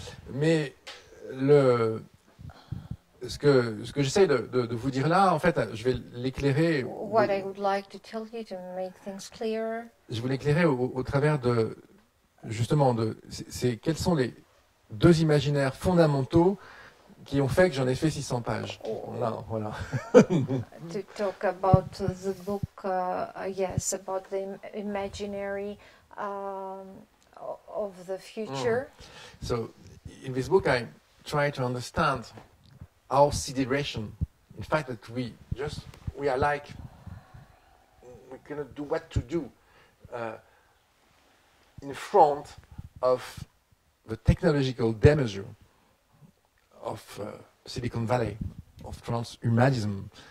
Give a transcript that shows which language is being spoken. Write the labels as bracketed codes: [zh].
[fr] Mais ce que j'essaie de vous dire là, en fait, je vais l'éclairer. [en] What I would like to tell you to make things clearer. [fr] Je vais l'éclairer au travers de justement de c'est quels sont les deux imaginaires fondamentaux qui ont fait que j'en ai fait 600 pages. Oh. Là, voilà. [en] To talk about the book, yes, about the imaginary of the future. Mm. So, in this book, I try to understand our sideration, the fact that we are like, we cannot do what to do in front of the technological demesure of Silicon Valley, of transhumanism.